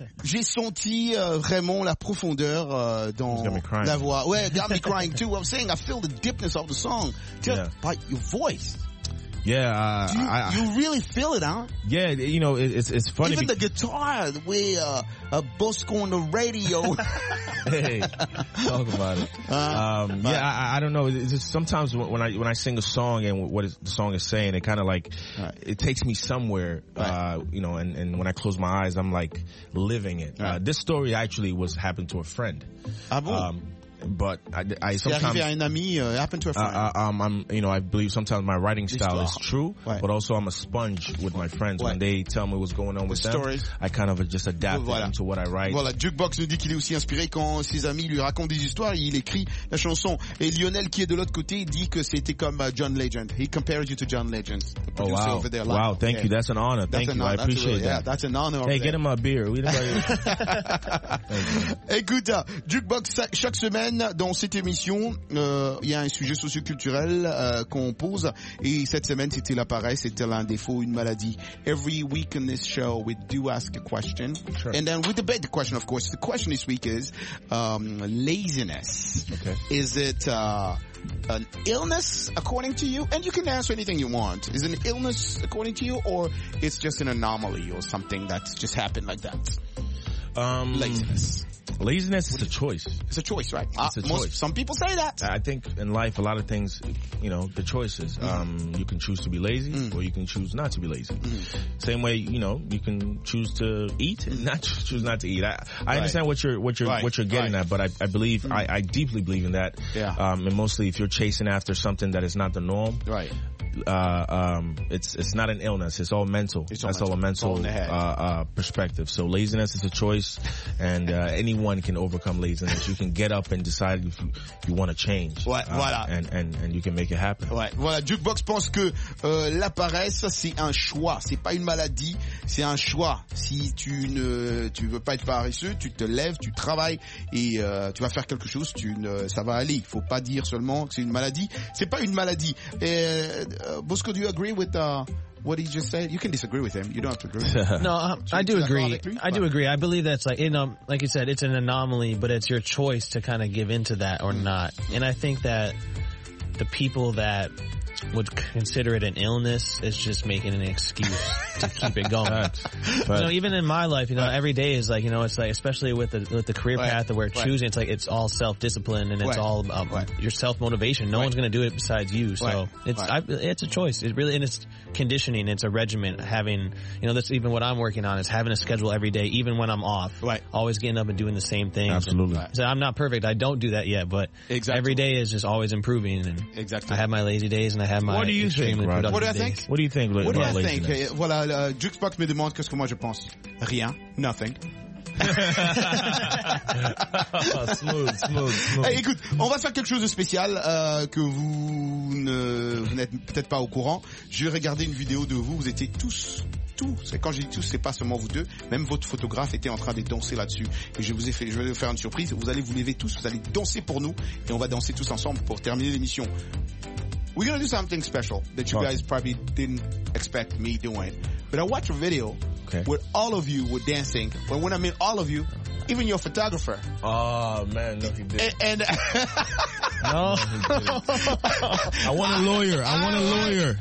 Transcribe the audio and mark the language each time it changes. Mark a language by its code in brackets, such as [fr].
[fr] J'ai senti, vraiment la profondeur, dans la voix. [en] Ouais, got me crying too. I'm saying I feel the deepness of the song. Just by your voice. Yeah, you really feel it, huh? Yeah, you know, it's funny. Even the guitar, the way, Bosco on the radio. Hey, talk about it. I don't know. It's just sometimes when I sing a song and what the song is saying, it kind of like, right. It takes me somewhere, right. You know, and when I close my eyes, I'm like living it. Right. This story actually happened to a friend. [fr] Ah, bon? [en] But I sometimes [fr] un ami, [en] happened to a friend. I believe sometimes my writing style is true, right. But also I'm a sponge with my friends, right. When they tell me what's going on the with stories. Them, I kind of just adapt them to what I write. [fr] Voilà, Jukebox nous dit qu'il est aussi inspiré quand ses amis lui racontent des histoires, il écrit la chanson. Et Lionel qui est de l'autre côté dit que c'était comme John Legend. [en] He compares you to John Legend. Oh wow! Over there, wow! Thank you. That's an honor. Thank you. I appreciate that. That's an honor. Hey, get him a beer. [fr] Écoute, Jukebox chaque semaine. Dans cette émission, il y a un sujet socioculturel qu'on pose. Et cette semaine, c'était la paresse, c'était un défaut, une maladie. [en] Every week in this show, we do ask a question. Sure. And then we debate the question, of course. The question this week is laziness. Okay. Is it an illness, according to you? And you can answer anything you want. Is it an illness, according to you, or it's just an anomaly or something that just happened like that? Laziness. Laziness is a choice. It's a choice, right? It's a choice. Some people say that. I think in life, a lot of things, you know, the choices. Mm. You can choose to be lazy or you can choose not to be lazy. Mm. Same way, you know, you can choose to eat and not choose not to eat. I understand what you're getting at, but I believe, I deeply believe in that. Yeah. And mostly if you're chasing after something that is not the norm. Right. It's not an illness. It's all mental. It's all a mental perspective. So laziness is a choice, and anyone can overcome laziness. You can get up and decide if you want to change. [fr] Ouais, voilà. [en] And you can make it happen. [fr] Ouais, voilà. Jukebox pense que la paresse c'est un choix. C'est pas une maladie. C'est un choix. Si tu veux pas être paresseux, tu te lèves, tu travailles et tu vas faire quelque chose. Ça va aller. Il faut pas dire seulement que c'est une maladie. C'est pas une maladie. [en] Bosco, do you agree with what he just said? You can disagree with him. You don't have to agree. No, I do agree. I do agree. I believe that's like, you know, like you said, it's an anomaly, but it's your choice to kind of give into that or not. And I think that the people that would consider it an illness is just making an excuse to keep it going. But, you know, even in my life, you know, every day is like, you know, it's like, especially with the career path that we're choosing, it's like, it's all self-discipline and it's all about your self-motivation. No one's going to do it besides you. So it's a choice. It really, and it's conditioning. It's a regimen. Having, you know, that's even what I'm working on is having a schedule every day, even when I'm off. Right. Always getting up and doing the same thing. Absolutely. And, so I'm not perfect. I don't do that yet, but every day is just always improving. And exactly. I have my lazy days. What do you think, Rod? What do you think? What do I think? [fr] Voilà, Jukebox me demande qu'est-ce que moi je pense. Rien. [en] Nothing. smooth. [fr] Hey, écoute, on va faire quelque chose de spécial que vous n'êtes peut-être pas au courant. Je vais regarder une vidéo de vous. Vous étiez tous. Et quand je dis tous, c'est pas seulement vous deux. Même votre photographe était en train de danser là-dessus. Et je vais vous faire une surprise. Vous allez vous lever tous. Vous allez danser pour nous. Et on va danser tous ensemble pour terminer l'émission. [en] We're gonna do something special that you guys probably didn't expect me doing. But I watched a video where all of you were dancing. Well, when I mean all of you, even your photographer. Oh man, and no, I want a lawyer. I want a lawyer.